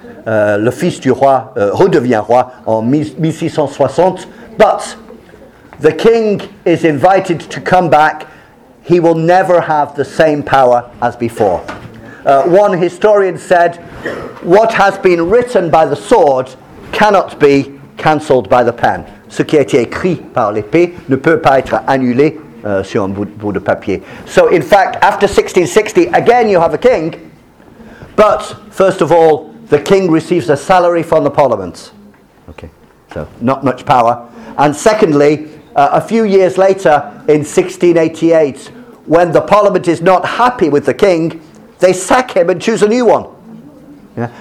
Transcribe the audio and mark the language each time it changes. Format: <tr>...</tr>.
<fr>Le fils du roi redevient roi en 1660.</fr> <en>But the king is invited to come back. He will never have the same power as before. One historian said, what has been written by the sword cannot be cancelled by the pen.</en> <fr>Ce qui a été écrit par l'épée ne peut pas être annulé sur un bout de papier.</fr> <en>So in fact, after 1660, again you have a king, but first of all, the king receives a salary from the parliament. Okay, so not much power. And secondly, a few years later, in 1688, when the parliament is not happy with the king, they sack him and choose a new one. Yeah.</en>